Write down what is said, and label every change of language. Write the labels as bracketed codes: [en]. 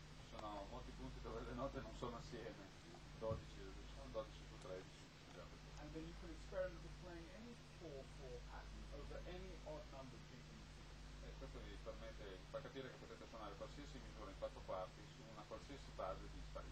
[it] Sono molti punti dove le note non sono assieme. 12 su 13. [en] And then you can experiment with playing any 4-4 pattern over any odd number of beats. [it] E questo vi permette di far capire che potete suonare qualsiasi misura in 4 quarti su una qualsiasi base di spari.